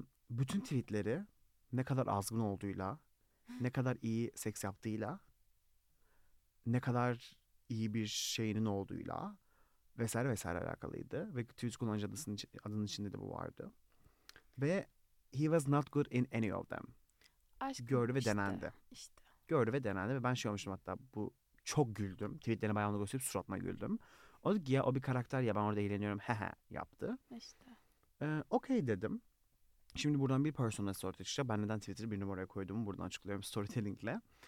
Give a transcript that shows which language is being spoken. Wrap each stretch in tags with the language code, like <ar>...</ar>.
<tr>Bütün tweetleri ne kadar azgın olduğuyla, ne kadar iyi seks yaptığıyla, ne kadar iyi bir şeyinin olduğuyla vesaire vesaire alakalıydı. Ve tweet kullanıcı adının içinde de bu vardı.</tr> <en>Ve he was not good in any of them.</en> <tr>Aşkım, gördü ve işte, denendi. İşte. Gördü ve denendi ve ben şey olmuştum hatta, bu çok güldüm. Tweetlerini bayağı gösterip suratına güldüm. O dedi ki ya, o bir karakter ya, ben orada eğleniyorum he yaptı. İşte. Okey dedim. Şimdi buradan bir</tr> <en>personal story</en> <tr>çıkacak. Ben neden Twitter'ı bir numaraya koyduğumu buradan açıklıyorum storytellingle.</tr>